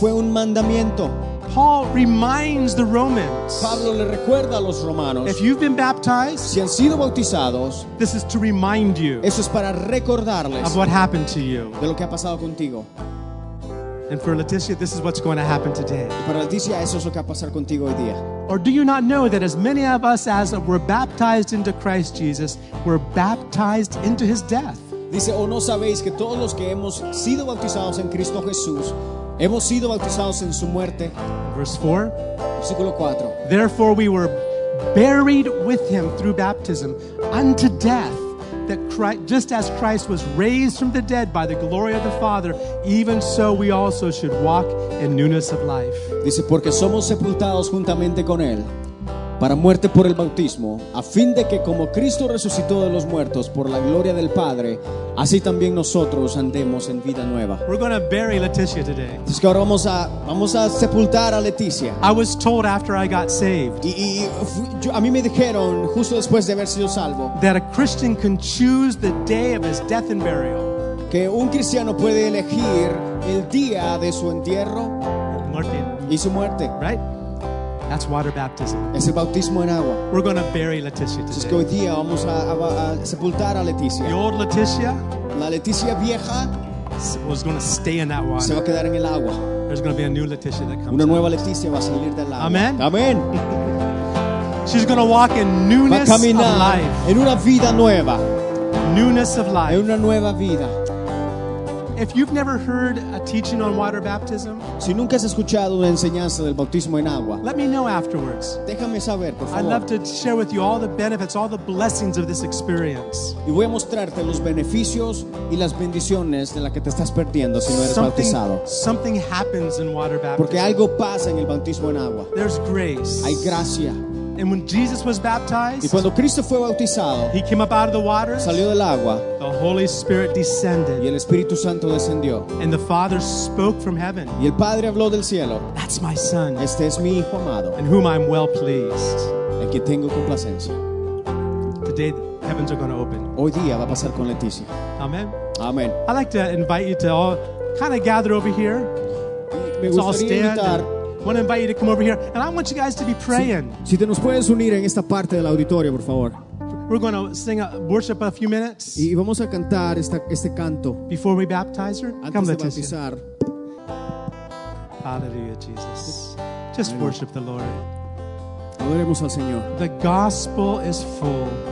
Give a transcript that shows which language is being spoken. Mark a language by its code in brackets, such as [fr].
[es] Fue un mandamiento. [en] Paul reminds the Romans. [es] Pablo le recuerda a los romanos. [en] If you've been baptized, [es] si han sido bautizados, [en] this is to remind you. [es] Eso es para recordarles [en] of what happened to you. [es] De lo que ha pasado contigo. [en] And for Leticia, this is what's going to happen today. [es] Para Leticia, eso es lo que va a pasar contigo hoy día. [en] Or do you not know that as many of us as were baptized into Christ Jesus, were baptized into His death? [es] Dice, ¿o no sabéis que todos los que hemos sido bautizados en Cristo Jesús hemos sido bautizados en su muerte? [en] Verse 4. [es] Versículo 4. [en] Therefore we were buried with him through baptism unto death, that Christ, just as Christ was raised from the dead by the glory of the Father, even so we also should walk in newness of life. [es] Dice, porque somos sepultados juntamente con él para muerte por el bautismo, a fin de que como Cristo resucitó de los muertos por la gloria del Padre, así también nosotros andemos en vida nueva. [en] We're going to bury Leticia today. [es] Es que ahora vamos a sepultar a Leticia. [en] I was told after I got saved. [es] Y a mí me dijeron justo después de haber sido salvo. [en] That a Christian can choose the day of his death and burial. [es] Que un cristiano puede elegir el día de su entierro. Muerte. Y su muerte. [en] Right? That's water baptism. [es] Es el bautismo en agua. [en] We're going to bury Leticia today. [es] Entonces, hoy día vamos a sepultar a Leticia. [en] The old Leticia, [es] la Leticia vieja, [en] was going to stay in that water. [es] Se va a quedar en el agua. [en] There's going to be a new Leticia that comes. [es] Una nueva Leticia va a salir del agua. [en] Amen. [es] Amen. [en] She's going to walk in newness [es] va a caminar [en] of life. [es] En una vida nueva. [en] Newness of life. [es] En una nueva vida. [en] If you've never heard a teaching on water baptism, [es] si nunca has escuchado una enseñanza del bautismo en agua, [en] let me know afterwards. [es] Déjame saber, por favor. [en] I'd love to share with you all the benefits, all the blessings of this experience. [es] Y voy a mostrarte los beneficios y las bendiciones de la que te estás perdiendo si no eres bautizado. [en] Something happens in water baptism. [es] Porque algo pasa en el bautismo en agua. [en] There's grace. [es] Hay gracia. [en] And when Jesus was baptized, [es] y cuando Cristo fue bautizado, [en] he came up out of the waters, [es] salió del agua, [en] the Holy Spirit descended, [es] y el Espíritu Santo descendió, [en] and the Father spoke from heaven, [es] y el Padre habló del cielo, [en] that's my son, [es] este es mi hijo amado, [en] in whom I'm well pleased, [es] en quien tengo complacencia. [en] Today the heavens are going to open. [es] Hoy día va a pasar con Leticia. [en] Amen. [es] Amen. [en] I'd like to invite you to all kind of gather over here. Let's all stand. I want to invite you to come over here, and I want you guys to be praying. [es] Si te nos puedes unir en esta parte del auditorio, por favor. [en] We're going to sing a worship a few minutes. [es] Y vamos a cantar este canto. [en] Before we baptize her, [es] antes come, Leticia. [en] Hallelujah, Jesus. Just worship the Lord. [es] Adoremos al Señor. [en] The gospel is full.